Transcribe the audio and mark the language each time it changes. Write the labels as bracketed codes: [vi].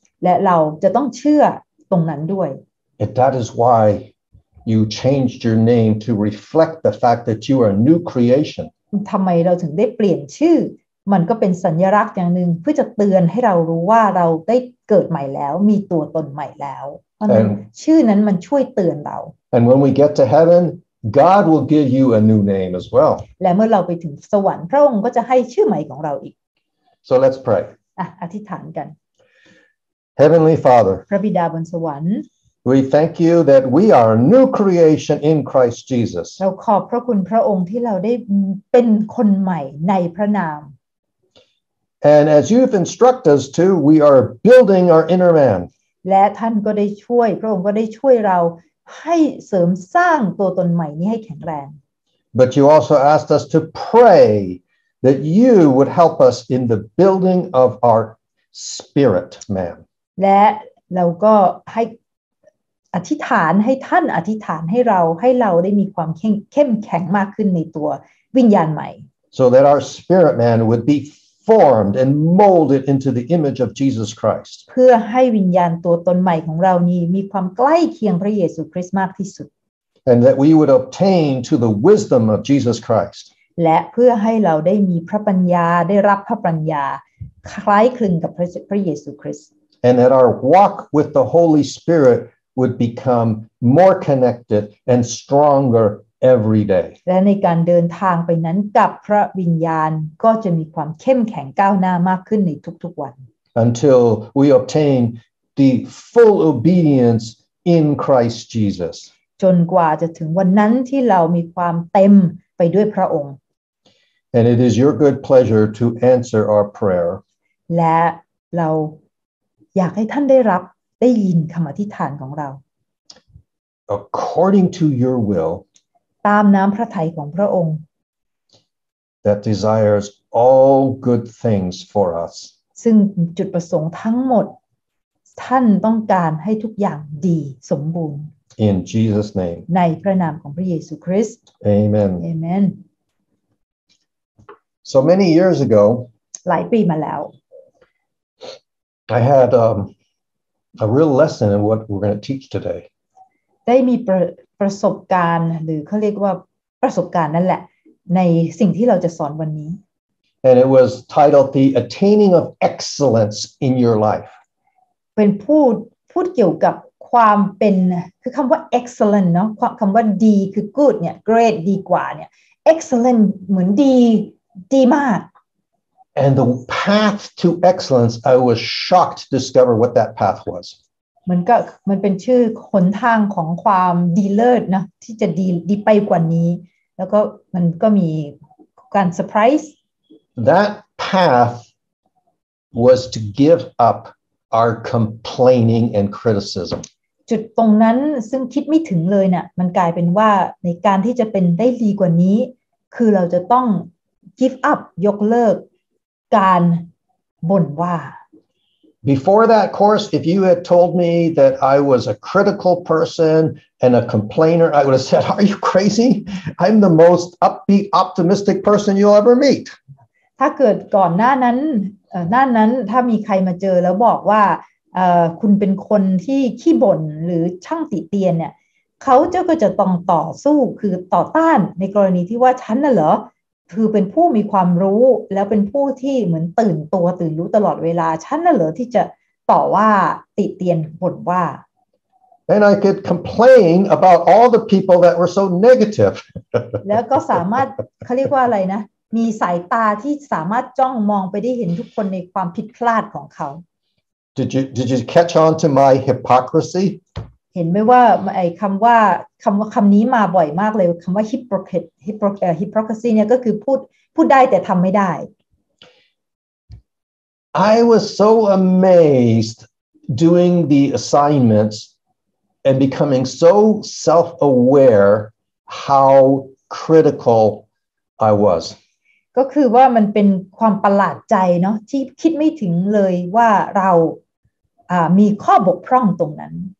[th] และเราจะต้องเชื่อตรงนั้นด้วย [en] That is why you changed your name to reflect the fact that you are a new creation [th] ทำไมเราถึงได้เปลี่ยนชื่อมันก็เป็นสัญลักษณ์อย่างนึงเพื่อจะเตือนให้เรารู้ว่าเราได้เกิดใหม่แล้วมีตัวตนใหม่แล้วชื่อนั้นมันช่วยเตือนเรา [en] And when we get to heaven God will give you a new name as well [th] และเมื่อเราไปถึงสวรรค์พระองค์ก็จะให้ชื่อใหม่ของเราอีก [en] So let's pray [th] อธิษฐานกัน [en] Heavenly Father, [th] พระบิดาบนสวรรค์ [en] we thank you that we are a new creation in Christ Jesus. [th] เราขอบพระคุณพระองค์ที่เราได้เป็นคนใหม่ในพระนาม [en] And as you've instructed us to, we are building our inner man. [th] และท่านก็ได้ช่วยพระองค์ก็ได้ช่วยเราให้เสริมสร้างตัวตนใหม่นี้ให้แข็งแรง [en] But you also asked us to pray that you would help us in the building of our spirit man. [th] และเราก็ให้อธิษฐานให้ท่านอธิษฐานให้เราให้เราได้มีความเข้มแข็งมากขึ้นในตัววิญญาณใหม่ [en] so that our spirit man would be formed and molded into the image of Jesus Christ [th] เพื่อให้วิญญาณตัวตนใหม่ของเรานี้มีความใกล้เคียงพระเยซูคริสต์มากที่สุด [en] and that we would obtain to the wisdom of Jesus Christ [th] และเพื่อให้เราได้มีพระปัญญาได้รับพระปัญญาคล้ายคลึงกับพระเยซูคริสต์ [en] And that our walk with the Holy Spirit would become more connected and stronger every day. [th] และในการเดินทางไปนั้นกับพระวิญญาณก็จะมีความเข้มแข็งก้าวหน้ามากขึ้นในทุกๆวัน [en] Until we obtain the full obedience in Christ Jesus. [th] จนกว่าจะถึงวันนั้นที่เรามีความเต็มไปด้วยพระองค์ [en] And it is your good pleasure to answer our prayer. [th] และเราอยากให้ท่านได้รับได้ยินคำอธิษฐานของเรา [en] According to your will [th] ตามน้ำพระทัยของพระองค์ [en] That desires all good things for us [th] ซึ่งจุดประสงค์ทั้งหมดท่านต้องการให้ทุกอย่างดีสมบูรณ์ [en] In Jesus name [th] ในพระนามของพระเยซูคริสต์ [en] Amen Amen So many years ago [th] หลายปีมาแล้ว [en] I had a real lesson in what we're going to teach today. [th] ได้มีประสบการณ์หรือเขาเรียกว่าประสบการณ์นั่นแหละในสิ่งที่เราจะสอนวันนี้ [en] And it was titled The Attaining of Excellence in Your Life. [th] เป็นพูดเกี่ยวกับความเป็นคือคำว่า excellent เนาะคำว่าดีคือ good เนี่ย great ดีกว่าเนี่ย excellent เหมือนดีมาก [en] And the path to excellence, I was shocked to discover what that path was. [th] มันเป็นชื่อหนทางของความดีเลิศนะที่จะดีไปกว่านี้แล้วก็มันก็มีการเซอร์ไพรส์ [en] That path was to give up our complaining and criticism. [th] จุดตรงนั้นซึ่งคิดไม่ถึงเลยน่ะมันกลายเป็นว่าในการที่จะเป็นได้ดีกว่านี้คือเราจะต้อง [en] give up [th] ยกเลิกการบ่นว่า [en] Before that course, if you had told me that I was a critical person and a complainer, I would have said, "Are you crazy? I'm the most upbeat, optimistic person you'll ever meet." [th] ถ้าเกิดก่อนหน้านั้นถ้ามีใครมาเจอแล้วบอกว่าคุณเป็นคนที่ขี้บ่นหรือช่างติเตียนเนี่ยเขาเจ้าก็จะต้องต่อสู้คือต่อต้านในกรณีที่ว่าฉันน่ะเหรอคือเป็นผู้มีความรู้แล้วเป็นผู้ที่เหมือนตื่นตัวตื่นรู้ตลอดเวลาฉันน่ะเหรอที่จะต่อว่าติเตียนบ่นว่า [en] And I could complain about all the people that were so negative [th] แล้วก็สามารถเขาเรียกว่าอะไรนะมีสายตาที่สามารถจ้องมองไปได้เห็นทุกคนในความผิดพลาดของเขา [en] Did you catch on to my hypocrisy [th] เห็นไหมว่าไอ้คำนี้มาบ่อยมากเลยคำว่า hypocrisy เนี่ยก็คือพูดได้แต่ทำไม่ได้ [en] I was so amazed doing the assignments and becoming so self-aware how critical I was [th] ก็คือว่ามันเป็นความประหลาดใจเนาะที่คิดไม่ถึงเลยว่าเรามีข้อบกพร่องตรงนั้น